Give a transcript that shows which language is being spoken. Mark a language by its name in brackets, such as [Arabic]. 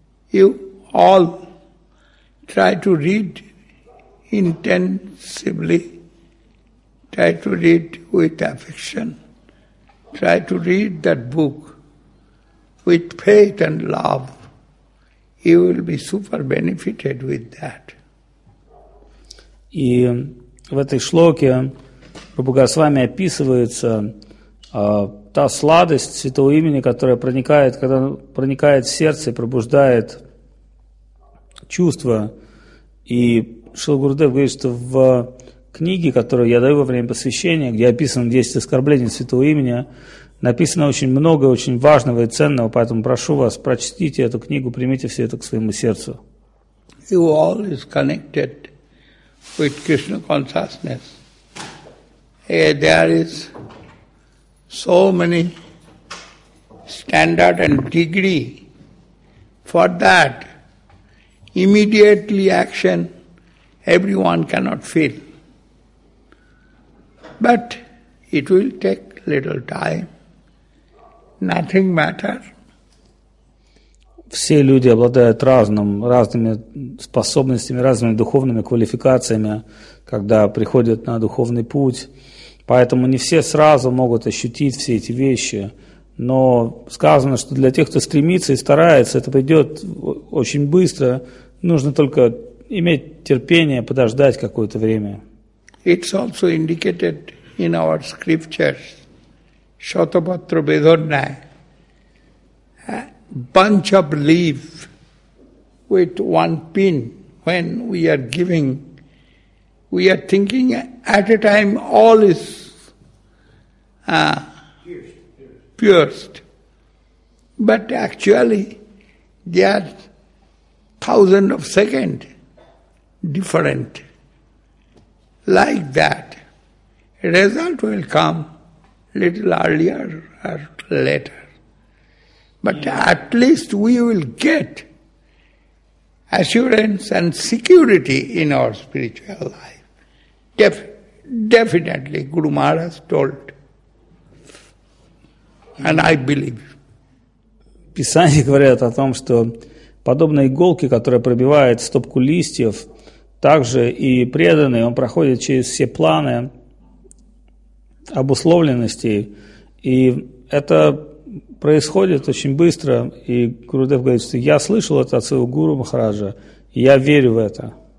[English] You all try to read intensively, try to read with affection, try to read that book with faith and love, you will be super benefited with that. [Russian] И в этой шлоке Прабху Госвами описывается та сладость святого имени, которая проникает, когда проникает в сердце, пробуждает чувства. И Шрила Гурудев говорит, что в книге, которую я даю во время посвящения, где описано 10 оскорблений святого имени, написано очень много очень важного и ценного, поэтому прошу вас, прочтите эту книгу, примите все это к своему сердцу. [English] You all is connected with Krishna consciousness. There is so many standard and degree. For that, immediately action, everyone cannot feel. But it will take little time. Nothing matter. [Russian] Все люди обладают разными способностями, разными духовными квалификациями, когда приходят на духовный путь. Поэтому не все сразу могут ощутить все эти вещи. Но сказано, что для тех, кто стремится и старается, это пойдет очень быстро. Нужно только иметь терпение, подождать какое-то время. [English] It's also indicated in our scriptures. Shatapatra Vedarna. A bunch of leaf with one pin when we are giving. We are thinking at a time all is pierced. But actually they are thousand of second different. Like that, result will come little earlier or later. But at least we will get assurance and security in our spiritual life. Definitely, Guru Maharaj told, and I believe. [Russian] Писания говорят о том, что подобно иголке, которая пробивает стопку листьев, также и преданный, он проходит через все планы обусловленности, и это происходит очень быстро, и Гурудев говорит, что я слышал это от своего Гуру Махараджа, я верю в это.